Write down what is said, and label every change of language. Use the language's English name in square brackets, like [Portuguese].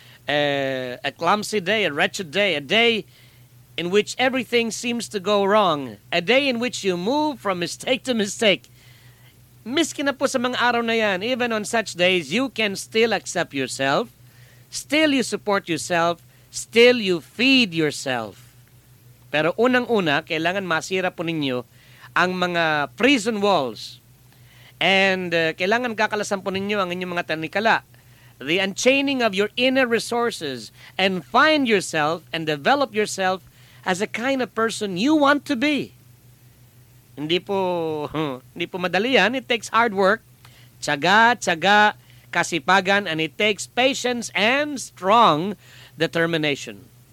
[English] A clumsy day, a wretched day, a day in which everything seems to go wrong. A day in which you move from mistake to mistake. Miskin na po sa mga araw na yan, even on such days, you can still accept yourself. Still you support yourself. Still you feed yourself. [Filipino] Pero unang-una, kailangan masira po ninyo ang mga prison walls. And kailangan kakalasan po ninyo ang inyong mga tanikala. [English] The unchaining of your inner resources and find yourself and develop yourself as a kind of person you want to be. [Filipino] Hindi po madali yan. It takes hard work. [English] Tsaga, kasipagan, and it takes patience and strong determination.